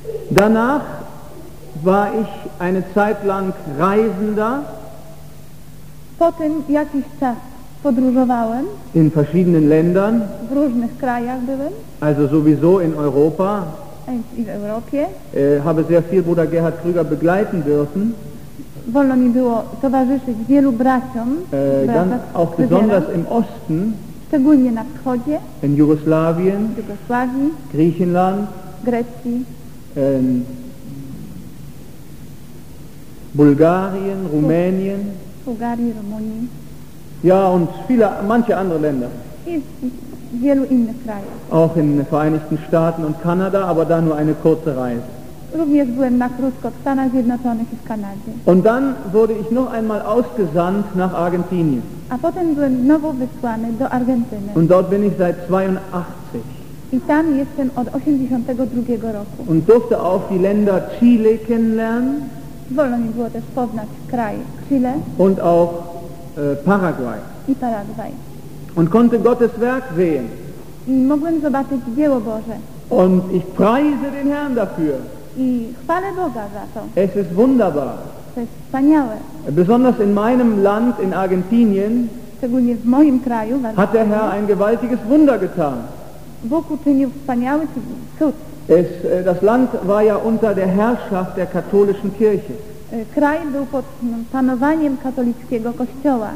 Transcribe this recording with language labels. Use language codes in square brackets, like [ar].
[de] Danach war ich eine Zeit lang Reisender. [pl] Potem jakiś czas podróżowałem. [de] In verschiedenen Ländern. [pl] W różnych krajach byłem. [de] Also sowieso in Europa. [pl] In Europie. [de] Habe sehr viel Bruder Gerhard Krüger begleiten dürfen. [pl] Wolno mi było towarzyszyć wielu braciom. [de] Dann auch besonders im Osten. [pl] Szczególnie na wschodzie. [de] In Jugoslawien. [pl] Jugosławii. [de] Griechenland. [pl] Grecji. [de] Bulgarien, Rumänien. Bulgarien, Rumänien. Ja, und viele, manche andere Länder. [pl] Wielu innych krajów. [de] Auch in den Vereinigten Staaten und Kanada, aber da nur eine kurze Reise. [pl] Również byłem na krótko w Stanach Zjednoczonych i w Kanadzie. [de] Und dann wurde ich noch einmal ausgesandt nach Argentinien. [pl] A potem byłem znowu wysłany do Argentyny. [de] Und dort bin ich seit 82. [pl] I tam jestem od 82 roku. [de] Und durfte auch die Länder Chile kennenlernen. [pl] Wolno mi było też poznać kraj Chile. [de] Und auch Paraguay. [pl] I Paraguay. [de] Und konnte Gottes Werk sehen. [pl] I mogłem zobaczyć dzieło Boże. [de] Und ich preise den Herrn dafür. [pl] I chwalę Boga za to. [de] Es ist wunderbar. [pl] To jest wspaniałe. [de] Besonders in meinem Land, in Argentinien. [pl] Szczególnie w moim kraju. [de] Hat der Herr ein gewaltiges Wunder getan. [pl] Bóg uczynił wspaniały cud. [de] Das Land war ja unter der Herrschaft der katholischen Kirche. [pl] Kraj był pod panowaniem katolickiego kościoła.